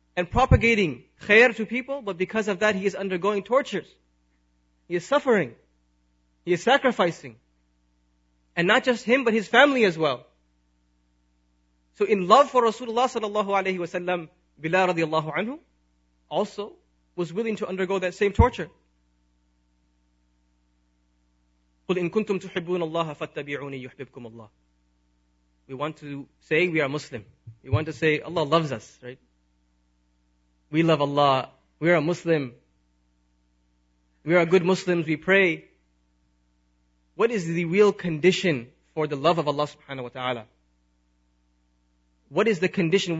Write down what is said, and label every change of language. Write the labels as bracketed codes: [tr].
[en] and propagating khair to people, but because of that he is undergoing tortures. He is suffering. He is sacrificing. And not just him, but his family as well. So in love for Rasulullah sallallahu alayhi wa sallam, Bilal radiallahu anhu also was willing to undergo that same torture. [ar] قُلْ إِن كُنْتُمْ تُحِبُّونَ اللَّهَ فَاتَّبِعُونِي يُحْبِبْكُمُ اللَّهِ. [en] We want to say we are Muslim. We want to say Allah loves us, right? We love Allah. We are a Muslim. We are good Muslims. We pray. What is the real condition for the love of Allah subhanahu wa ta'ala? What is the condition?